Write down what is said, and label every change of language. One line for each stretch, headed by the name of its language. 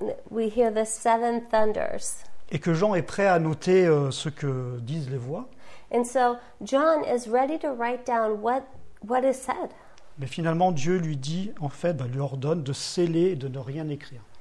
English: We hear the seven thunders.
French: Et que Jean est prêt à noter ce que disent les voix.
English: And so John is ready to write down what is said.
French: Mais finalement, Dieu lui dit, en fait, lui ordonne de sceller et de ne rien écrire.